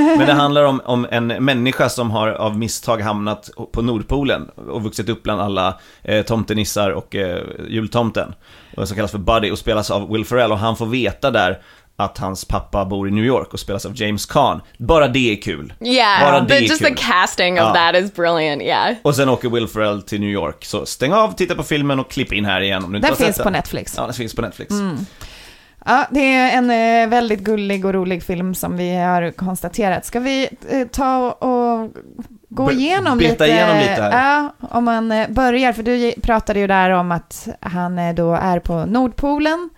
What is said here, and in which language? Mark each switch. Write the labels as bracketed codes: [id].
[sv] Men det handlar om en människa som har av misstag hamnat på Nordpolen och vuxit upp bland alla tomtenissar och jultomten, som kallas för Buddy och spelas av Will Ferrell, och han får veta där att hans pappa bor i New York och spelas av James Caan. Bara det är kul. [en] The casting of that is brilliant. Yeah. [sv] Och sen åker Will Ferrell till New York. Så stäng av, titta på filmen och klipp in här igen. Den finns på Netflix. Mm. Ja, det är en väldigt gullig och rolig film som vi har konstaterat. Ska vi ta och gå igenom lite? Byta igenom lite här. Ja, om man börjar, för du pratade ju där om att han då är på Nordpolen.